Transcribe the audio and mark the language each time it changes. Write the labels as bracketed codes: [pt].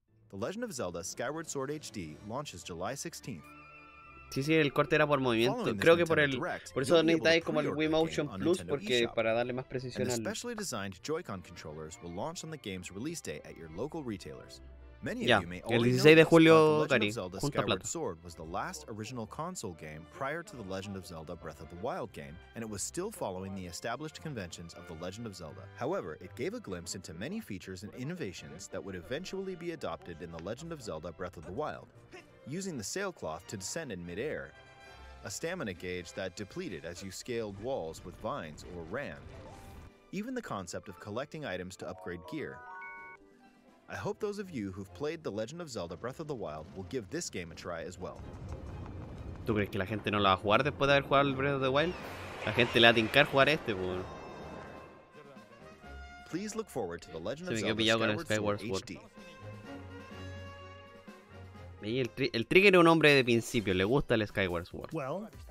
[en] The Legend of Zelda Skyward Sword HD launches July 16th. [es] Sí, sí, el corte era por movimiento. Creo que por el por eso necesitáis como el Wii Motion Plus porque para darle más precisión al. [en] Specially designed Joy-Con controllers will launch on the game's release day at your local retailers. Many of you may already know that The Legend of Zelda Skyward Sword was the last original console game prior to The Legend of Zelda Breath of the Wild game, and it was still following the established conventions of The Legend of Zelda. However, it gave a glimpse into many features and innovations that would eventually be adopted in The Legend of Zelda Breath of the Wild. Using the sailcloth to descend in midair, a stamina gauge that depleted as you scaled walls with vines or ran, even the concept of collecting items to upgrade gear. I hope those of you who've played The Legend of Zelda Breath of the Wild will give this game a try as well. [es] ¿Tú crees que la gente no la va a jugar después de haber jugado el Breath of the Wild? La gente le va a tincar jugar este, pues. [en] Please look forward to The Legend of Zelda Skyward Sword HD. [es] Y el Trigger es un hombre de principio, le gusta el Skyward Sword. [en] Well,